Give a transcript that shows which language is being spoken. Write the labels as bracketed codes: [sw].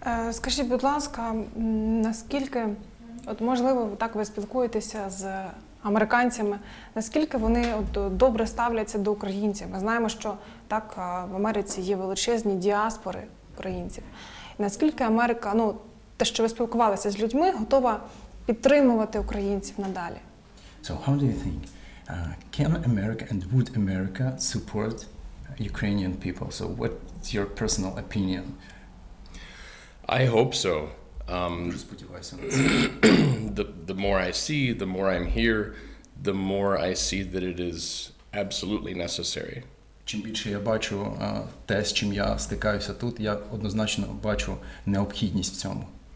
[uk] Скажіть, будь ласка, наскільки, от можливо, так ви спілкуєтеся з американцями, наскільки вони от добре ставляться до українців? Ми знаємо, що так в Америці є величезні діаспори українців. Наскільки Америка, ну, те, що ви спілкувалися з людьми, готова підтримувати українців надалі? [en] So how do you think? Can America and would America support Ukrainian people? So what's your personal opinion? I hope so. The more I see, the more I'm here, the more I see that it is absolutely necessary. [uk] Чим більше я бачу те, з чим я стикаюся тут, я однозначно бачу необхідність в цьому.